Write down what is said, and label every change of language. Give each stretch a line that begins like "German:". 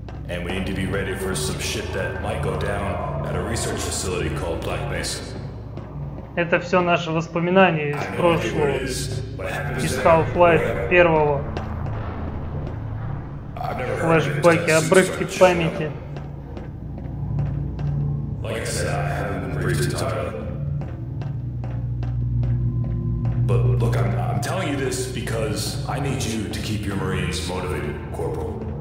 English: And we need to be ready for some shit that might go down at a research facility called Black Mesa.
Russian: Это все наши воспоминания из прошлого, из Half-Life первого. Флэшбэки, обрывки памяти.
English: Like I said, I haven't been briefed entirely. But look, I'm telling you this because I need you to keep your Marines motivated, Corporal.